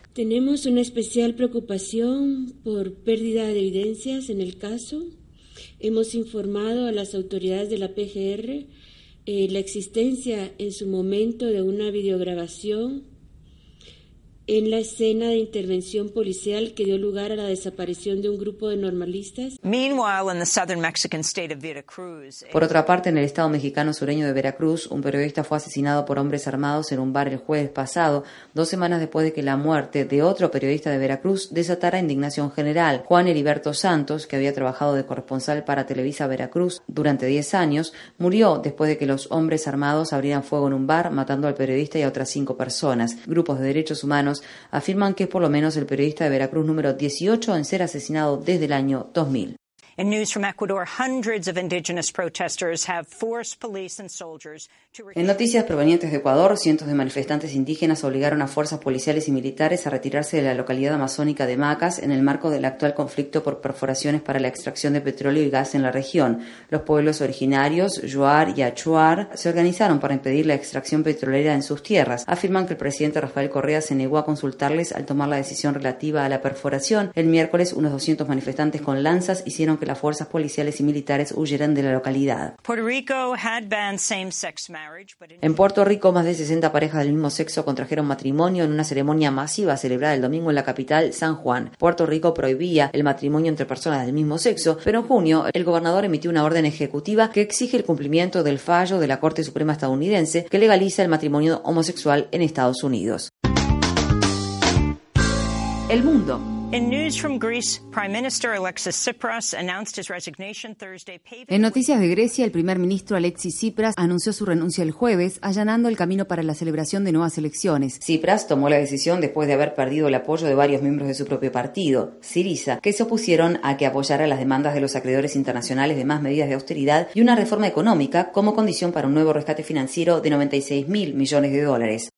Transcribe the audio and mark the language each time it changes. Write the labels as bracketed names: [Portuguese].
[Spanish] "Tenemos una especial preocupación por pérdida de evidencias en el caso. Hemos informado a las autoridades de la PGR la existencia en su momento de una videograbación en la escena de intervención policial que dio lugar a la desaparición de un grupo de normalistas. [English] Meanwhile, in the southern Mexican state of Veracruz. [Spanish] Por otra parte, en el estado mexicano sureño de Veracruz, un periodista fue asesinado por hombres armados en un bar el jueves pasado, 2 semanas después de que la muerte de otro periodista de Veracruz desatara indignación general. Juan Heriberto Santos, que había trabajado de corresponsal para Televisa Veracruz durante 10 años, murió después de que los hombres armados abrieran fuego en un bar, matando al periodista y a otras 5 personas. Grupos de derechos humanos afirman que es por lo menos el periodista de Veracruz número 18 en ser asesinado desde el año 2000. [English] In news from Ecuador, hundreds of indigenous protesters have forced police and soldiers to... [Spanish] En noticias provenientes de Ecuador, cientos de manifestantes indígenas obligaron a fuerzas policiales y militares a retirarse de la localidad amazónica de Macas en el marco del actual conflicto por perforaciones para la extracción de petróleo y gas en la región. Los pueblos originarios, Yuar y Achuar, se organizaron para impedir la extracción petrolera en sus tierras. Afirman que el presidente Rafael Correa se negó a consultarles al tomar la decisión relativa a la perforación. El miércoles, unos 200 manifestantes con lanzas hicieron que las fuerzas policiales y militares huyeran de la localidad. [English] Puerto Rico had banned same-sex marriage, but [Spanish] in... En Puerto Rico, más de 60 parejas del mismo sexo contrajeron matrimonio en una ceremonia masiva celebrada el domingo en la capital, San Juan. Puerto Rico prohibía el matrimonio entre personas del mismo sexo, pero en junio el gobernador emitió una orden ejecutiva que exige el cumplimiento del fallo de la Corte Suprema estadounidense que legaliza el matrimonio homosexual en Estados Unidos. El mundo. [English] In news from Greece, Prime Minister Alexis Tsipras announced his resignation Thursday. [Spanish] En noticias de Grecia, el primer ministro Alexis Tsipras anunció su renuncia el jueves, allanando el camino para la celebración de nuevas elecciones. Tsipras tomó la decisión después de haber perdido el apoyo de varios miembros de su propio partido, Syriza, que se opusieron a que apoyara las demandas de los acreedores internacionales de más medidas de austeridad y una reforma económica como condición para un nuevo rescate financiero de $96 mil millones.